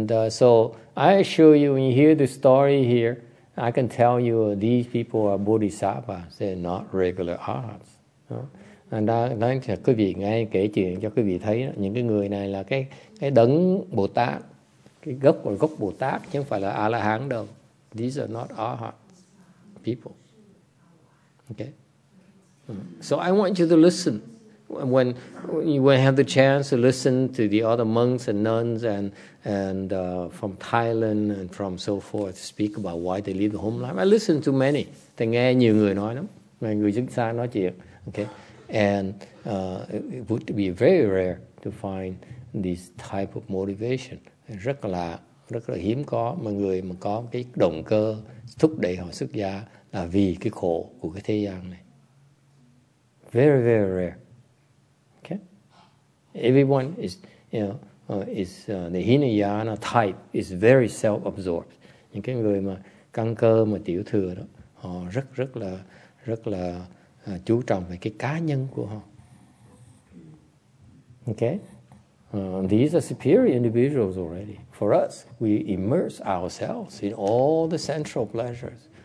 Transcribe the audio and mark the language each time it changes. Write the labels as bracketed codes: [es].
[en] So I assure you, when you hear the story here, I can tell you these people are bodhisattvas. They're not regular arhats. [vi] And đang cho quý vị nghe kể chuyện cho quý vị thấy đó, những cái người này là cái đấng Bồ Tát, cái gốc của gốc Bồ Tát chứ không phải là A La Hán đâu. [en] These are not arhats people. Okay. So I want you to listen when you have the chance to listen to the other monks and nuns and from Thailand and from so forth speak about why they leave the home life. I listen to many. [vi] Tôi nghe nhiều người nói lắm. Người dân xa nói chuyện. Okay. [en] And it would be very rare to find this type of motivation. [vi] Rất là hiếm có mà người mà có cái động cơ thúc đẩy họ xuất gia là vì cái khổ của cái thế gian này. [en] Very, very rare. Everyone is, you know, is the Hinayana type is very self-absorbed. [vi] Những cái người mà căn cơ mà tiểu thừa đó, họ rất là chú trọng về cái cá nhân của họ. [en] Okay, these are superior individuals already. For us, we immerse ourselves in all the sensual pleasures.